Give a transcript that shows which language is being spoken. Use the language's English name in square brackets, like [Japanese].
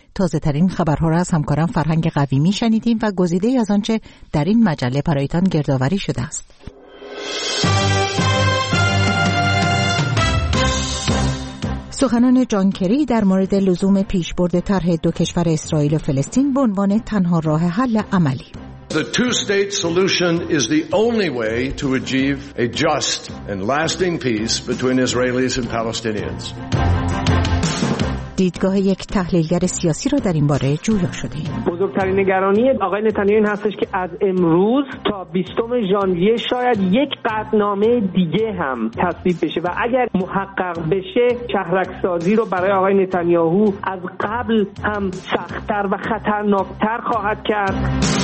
[Persian] تازه ترین خبرها را از همکارم فرهنگ قویمی شنیدیم و گزیده از آنچه در این مجله برایتان گردآوری شده است. سخنان جان کری در مورد لزوم پیشبرد طرح دو کشور اسرائیل و فلسطین به عنوان تنها راه حل عملی. [English] The two-state solution is the only way to achieve a just and lasting peace between Israelis and Palestinians. [Persian] دیدگاه یک تحلیلگر سیاسی را در این باره جویا شده ایم. بزرگترین نگرانی آقای نتانیاهو این هستش که از امروز تا 20 ژانویه شاید یک قطعنامه دیگه هم تصویب بشه و اگر محقق بشه شهرک سازی رو برای آقای نتانیاهو از قبل هم سخت‌تر و خطرناک‌تر خواهد کرد.